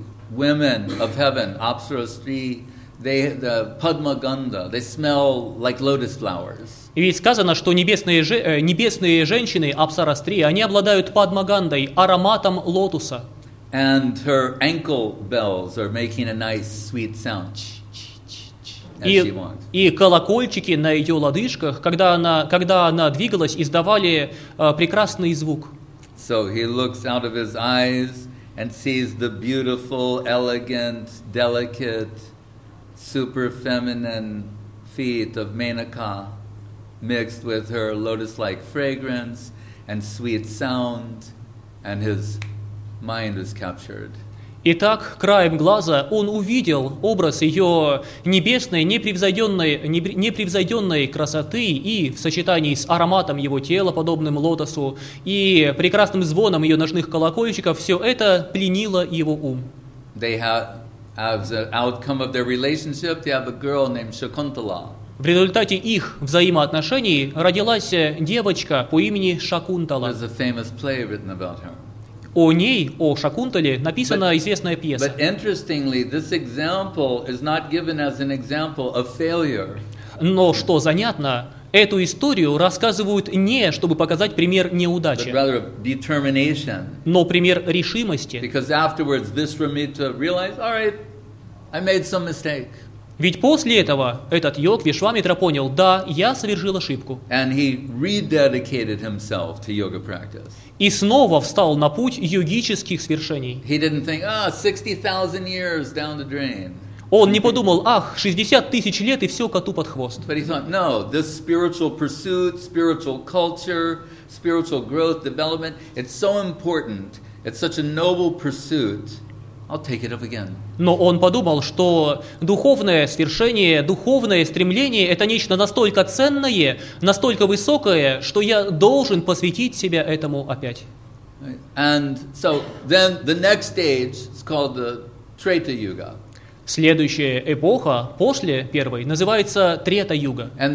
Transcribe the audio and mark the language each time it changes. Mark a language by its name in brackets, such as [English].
[English] Women of heaven, Apsarasri, the Padma Ganda, they smell like lotus flowers. [Russian] Ведь сказано, что небесные женщины, Апсарастри, они обладают Падма Гандой, ароматом лотуса. [English] And her ankle bells are making a nice sweet sound. [Russian] И колокольчики на ее лодыжках, когда она двигалась, издавали прекрасный звук. [English] So he looks out of his eyes and sees the beautiful, elegant, delicate, super feminine feet of Menaka mixed with her lotus-like fragrance and sweet sound, and his mind is captured. [Russian] Итак, краем глаза он увидел образ ее небесной, непревзойденной красоты и в сочетании с ароматом его тела, подобным лотосу, и прекрасным звоном ее ножных колокольчиков, все это пленило его ум. [English] They have, as an outcome of their relationship, they have a girl named Shakuntala. [Russian] В результате их взаимоотношений родилась девочка по имени Шакунтала. [English] There's a famous play written about her. [Russian] о ней, о Шакунтале, написана известная пьеса. [English] But interestingly, this example is not given as an example of failure. [Russian] Но что занятно, эту историю рассказывают не, чтобы показать пример неудачи, [English] but rather of determination. [Russian] Но пример решимости. [English] Because afterwards this for me to realize, all right, I made some mistake. [Russian] Ведь после этого этот йог Вишвамитра понял, да, я совершил ошибку. [English] And he rededicated himself to yoga practice. [Russian] И снова встал на путь йогических свершений. [English] He didn't think, ah, 60,000 years down the drain. [Russian] Он не подумал, ах, 60 тысяч лет и все коту под хвост. [English] But he thought, no, this spiritual pursuit, spiritual culture, spiritual growth, development, it's so important, it's such a noble pursuit. I'll take it up again. [Russian] Но он подумал, что духовное свершение, духовное стремление – это нечто настолько ценное, настолько высокое, что я должен посвятить себя этому опять. Следующая эпоха после первой называется Трета-юга.